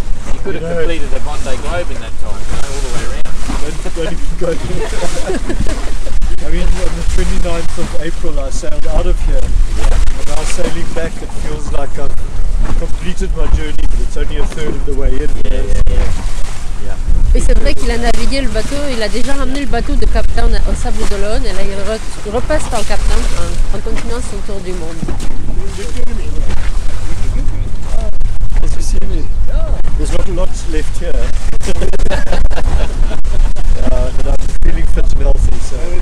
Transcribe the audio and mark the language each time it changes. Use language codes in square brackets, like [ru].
[en] You could have completed a Vonday Globe in that time, you know, all the way around. Don't even go there. I mean, on the 29th of April, I sailed out of here. Yeah. And now sailing back, it feels like I've completed my journey, but it's only a third of the way in. Yeah. [fr] Et c'est vrai qu'il a navigué le bateau, il a déjà ramené le bateau de Cape Town au Sable d'Olonne et là il repasse par le Cape Town en continuant son tour du monde. [en] Ah, as you see me, there's not a lot left here. But I'm feeling fit and healthy, so.